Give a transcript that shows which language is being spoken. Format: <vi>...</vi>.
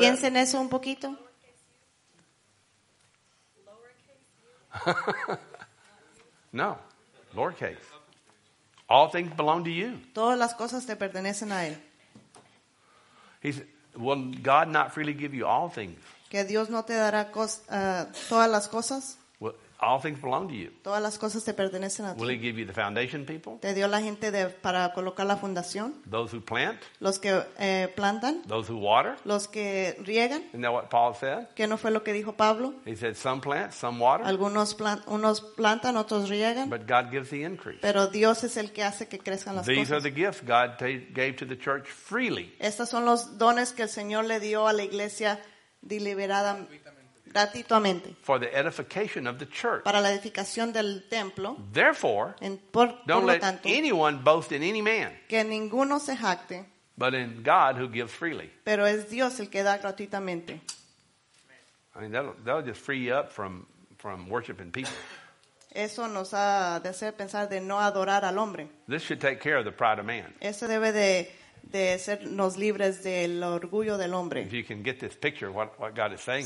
<es>Piensen eso un poquito.</es> <en>No. Lowercase. All things belong to you.</en> <es>Todas las cosas te pertenecen a él.</es> <en>He said, will God not freely give you all things?</en> <es>¿Que Dios no te dará todas las cosas?</es> <en>Well, All things belong to you.</en> <es>Todas las cosas te pertenecen a ti.</es> <en>Will he give you the foundation people?</en> <es>Te dio la gente de, para colocar la fundación.</es> <en>Those who plant.</en> <es>Los que plantan.</es> <en>Those who water.</en> <es>Los que riegan.</es> <en>Isn't that what Paul said?</en> <es>¿Qué no fue lo que dijo Pablo?</es> <en>He said some plant, some water.</en> <es>Algunos unos plantan, otros riegan.</es> <en>But God gives the increase.</en> <es>Pero Dios es el que hace que crezcan las</es> <en>These</en> <es>cosas.</es> <en>Are the gifts God gave to the church freely.</en> <es>Estos son los dones que el Señor le dio a la iglesia deliberadamente. Gratuitamente.</es> <en>For the edification of the church.</en> <es>Para la edificación del templo.</es> <en>Therefore, don't let</en> <es>tanto,</es> <en>anyone boast in any man.</en> <es>Que ninguno se jacte.</es> <en>But in God who gives freely.</en> <es>Pero es Dios el que da gratuitamente.</es> <en>I mean, that'll just free you up from worshiping people.</en> <es>Eso nos ha de hacer pensar de no adorar al hombre.</es> <en>This should take care of the pride of man.</en> <es>Eso debe de sernos libres del orgullo del hombre.</es> <en>If you can get this picture, what God is saying</en>